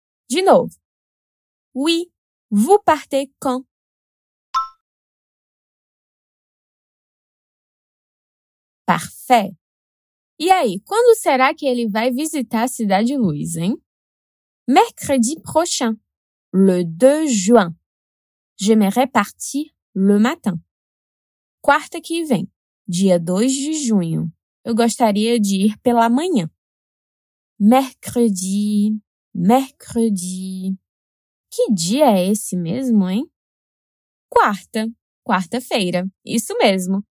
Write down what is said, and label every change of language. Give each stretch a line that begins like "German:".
Portuguese: De novo.
French: Oui, vous partez quand? Parfait.
Portuguese: E aí, quando será que ele vai visitar a Cidade Luz, hein?
French: Mercredi prochain, le 2 juin. J'aimerais partir le matin.
Portuguese: Quarta que vem, dia 2 de junho. Eu gostaria de ir pela manhã.
French: Mercredi, mercredi.
Portuguese: Que dia é esse mesmo, hein? Quarta, quarta-feira, isso mesmo.